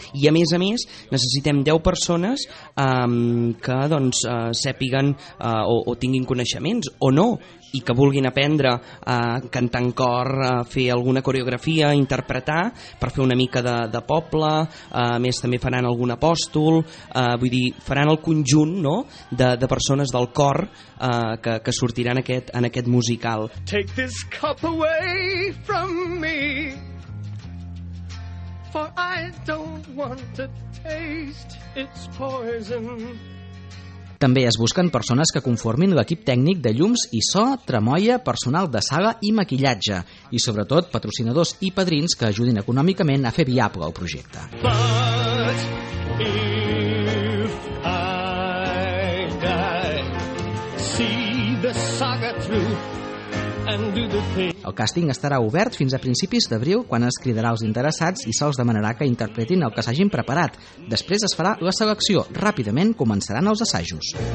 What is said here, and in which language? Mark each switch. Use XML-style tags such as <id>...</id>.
<ca>I a més, necessitem 10 persones que doncs, sàpiguen o tinguin coneixements o no, i que vulguin aprendre a cantar en cor, a fer alguna coreografia, a interpretar, per fer una mica de poble. A més, també faran algun apòstol, vull dir, faran el conjunt, no?, de persones del cor que sortiran en aquest musical.</ca> <en>Take this cup away from me, for I don't want to taste its poison.</en> <ca>També es busquen persones que conformin l'equip tècnic de llums i so, tramoia, personal de sala i maquillatge, i sobretot patrocinadors i padrins que ajudin econòmicament a fer viable el projecte.</ca> <en>But if I die, see the saga through.</en> <ca>El càsting estarà obert fins a principis d'abril, quan es cridarà els interessats i se'ls demanarà que interpretin el que s'hagin preparat. Després es farà la selecció. Ràpidament començaran els assajos.</ca>